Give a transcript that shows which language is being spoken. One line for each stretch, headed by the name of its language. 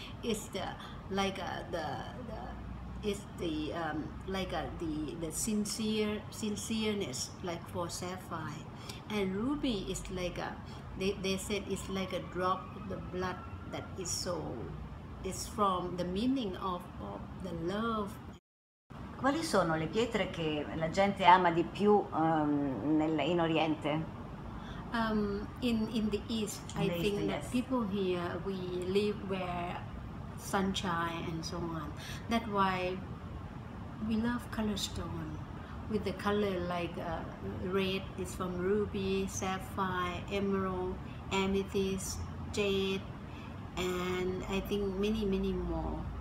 English: It's the like the sincereness, like for sapphire. And ruby is like a, they said it's like a drop of the blood that is so, it's from the meaning of the love.
Italian: Quali sono le pietre che la gente ama di più in Oriente?
English: In the East, I think people here, we live where sunshine and so on. That's why we love color stone, with the color like red is from ruby, sapphire, emerald, amethyst, jade, and I think many, many more.